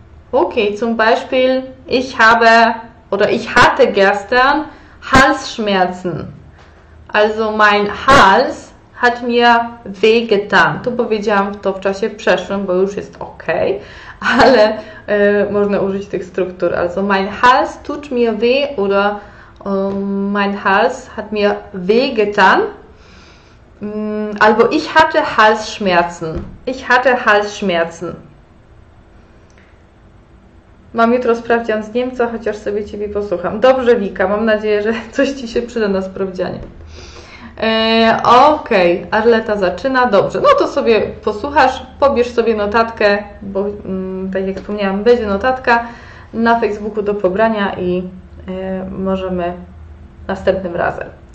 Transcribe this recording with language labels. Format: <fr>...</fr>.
<de>Okay, zum Beispiel, ich habe oder ich hatte gestern Halsschmerzen. Also mein Hals hat mir weh getan.</de> <pl>Tu powiedziałam to w czasie przeszłym, bo już jest okay, ale można użyć tych struktur.</pl> <de>Also mein Hals tut mir weh oder mein Hals hat mir weh getan. Albo ich hatte Halsschmerzen. Ich hatte Halsschmerzen.</de> <pl>Mam jutro sprawdzian z Niemca, chociaż sobie Ciebie posłucham. Dobrze, Wika, mam nadzieję, że coś Ci się przyda na sprawdzianie. Okej, okay. Arleta zaczyna. Dobrze, no to sobie posłuchasz, pobierz sobie notatkę, bo tak jak wspomniałam, będzie notatka na Facebooku do pobrania i możemy następnym razem.</pl>